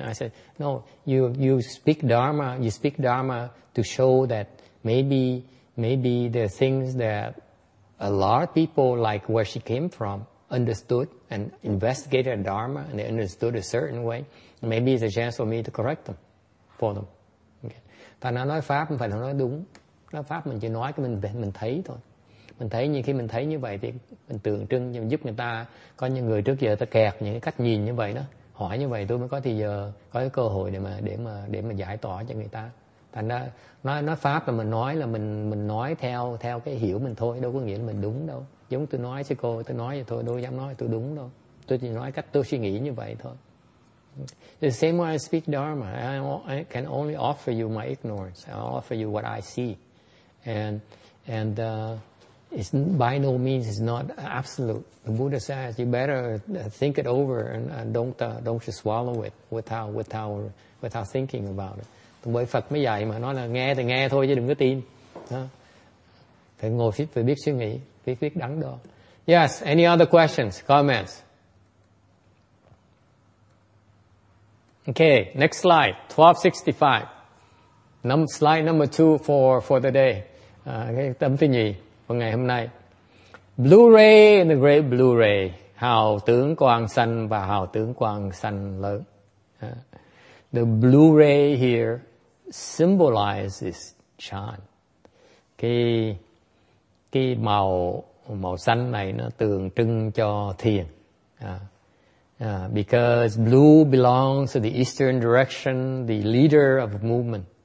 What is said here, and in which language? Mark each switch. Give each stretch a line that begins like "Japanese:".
English: I said, no, you speak Dharma to show that maybe the things that a lot of people, like where she came from, understood and investigated Dharma, and they understood a certain way. Maybe it's a chance for me to correct them, for them. Okay.
Vietnamese: Thành ra nói pháp không phải là nói đúng. Nói pháp mình chỉ nói cái mình thấy thôi. Mình thấy như khi mình thấy như vậy thì mình tượng trưng cho giúp người ta, có những người trước giờ ta kẹt những cái cách nhìn như vậy đó, hỏi như vậy tôi mới có thời giờ, có cái cơ hội để mà giải tỏa cho người ta. Thành ra nói pháp là mình nói theo cái hiểu mình thôi, đâu có nghĩa là mình đúng đâu. Giống tôi nói với cô, tôi nói vậy thôi, đâu dám nói tôi đúng đâu. Tôi chỉ nói cách tôi suy nghĩ như vậy thôi.
English: The same way I speak Dharma, I can only offer you my ignorance. I offer you what I see. It's by no means it's not absolute. The Buddha says you better think it over and don't just swallow it without thinking about it.
Vietnamese: Bởi Phật mới dạy mà, nói là nghe thì nghe thôi chứ đừng có tin. Phải ngồi phải biết suy nghĩ, biết đắn đo.
English: Yes, any other questions, comments? Okay, next slide, 1265. Slide number 2 for the day.
Vietnamese: Cái tấm thứ nhì. Ngày hôm nay,
English: Blue Ray and the Great Blue Ray,
Vietnamese: hào tướng quang xanh và hào tướng quang xanh lớn.
English: The Blue Ray here symbolizes Chan.
Vietnamese: Cái màu xanh này nó tượng trưng cho thiền.
English: Because blue belongs to the eastern direction, the leader of movement.